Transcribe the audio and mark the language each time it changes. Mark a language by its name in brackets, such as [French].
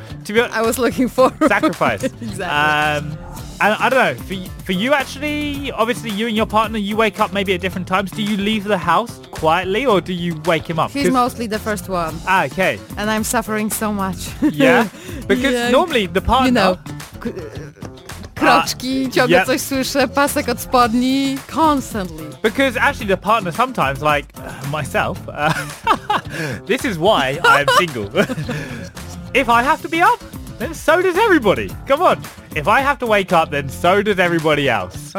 [English] To be honest, I was looking for. Sacrifice. Exactly. And I don't know, for you actually, obviously you and your partner, you wake up maybe at different times. Do you leave the house quietly or do you wake him up? He's mostly the first one. Ah, okay. And I'm suffering so much. Normally the partner... [Polish] You know, kroczki, ciągle coś słyszę, pasek od spodni, constantly. [English] Because actually the partner sometimes, like myself, this is why I'm single. If I have to be up, then so does everybody. Come on. If I have to wake up, then so does everybody else.